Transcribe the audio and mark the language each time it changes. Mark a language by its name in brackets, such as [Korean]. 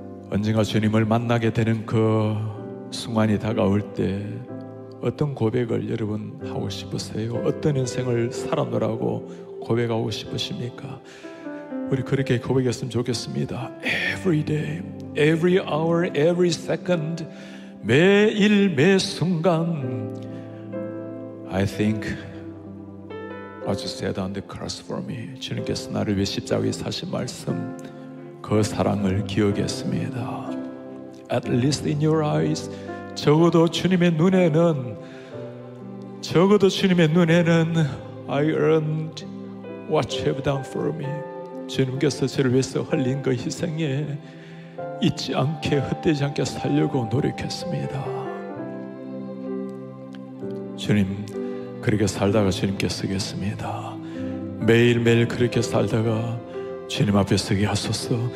[Korean] 언젠가 주님을 만나게 되는 그 순간이 다가올 때 어떤 고백을 여러분 하고 싶으세요? 어떤 인생을 살아노라고 고백하고 싶으십니까? 우리 그렇게 고백했으면 좋겠습니다. [English] Every day, every hour, every second, [Korean] 매일 매 순간. [English] I think what you said on the cross for me, [Korean] 주님께서 나를 위해 십자가에 사신 말씀, 그 사랑을 기억했습니다. [English] At least in your eyes, [Korean] 적어도 주님의 눈에는, 적어도 주님의 눈에는 [English] I earned what you have done for me. [Korean] 주님께서 저를 위해서 흘린 그 희생에 잊지 않게 헛되지 않게 살려고 노력했습니다. 주님, 그렇게 살다가 주님께 쓰겠습니다. 매일매일 그렇게 살다가 주님 앞에 쓰게 하소서.